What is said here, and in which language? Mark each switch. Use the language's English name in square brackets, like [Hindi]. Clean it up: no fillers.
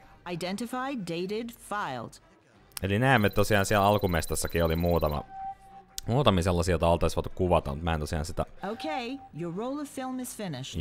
[English] Identified, dated, filed. [Finnish] Eli näemme tosiaan siellä alkumestassakin oli muutamia sellaisia, joita oltais voitu kuvata, mutta mä en tosiaan sitä... [English] Okay, your role of film is finished.